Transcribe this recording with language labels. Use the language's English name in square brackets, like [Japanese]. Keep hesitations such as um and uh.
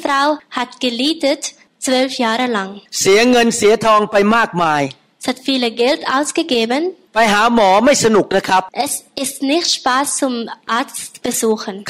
[German] Frau hat gelitten zwölf Jahre lang [Thai] เสียเงินเสียทองไปมากมาย [German] hat viele Geld ausgegeben [Thai] ไป หาหมอไม่สนุกนะครับ [German] Es ist nicht Spaß zum Arzt besuchen [Thai] ใ